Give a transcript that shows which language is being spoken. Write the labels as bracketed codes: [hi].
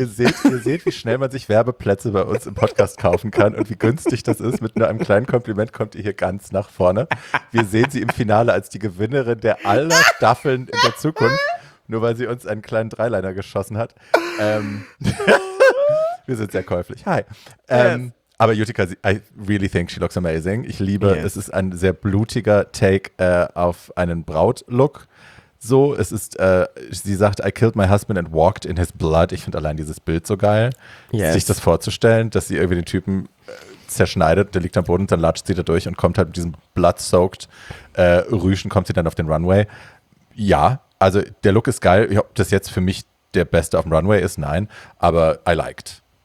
[de] Ihr seht, wie schnell man sich Werbeplätze bei uns im Podcast kaufen kann und wie günstig das ist. Mit nur einem kleinen Kompliment kommt ihr hier ganz nach vorne. Wir sehen sie im Finale als die Gewinnerin der aller Staffeln in der Zukunft, nur weil sie uns einen kleinen Dreiliner geschossen hat. Wir sind sehr käuflich. Hi. [en] Aber Utica, I really think she looks amazing. [de] Ich liebe, es ist ein sehr blutiger Take auf einen Brautlook. So, es ist, sie sagt, [en] I killed my husband and walked in his blood. [de] Ich finde allein dieses Bild so geil. [en] Yes. [de] Sich das vorzustellen, dass sie irgendwie den Typen zerschneidet, der liegt am Boden, dann latscht sie da durch und kommt halt mit diesem blood-soaked Rüschen, kommt sie dann auf den Runway. Ja, also der Look ist geil. Ob das jetzt für mich der Beste auf dem Runway ist, nein, aber [en] I liked.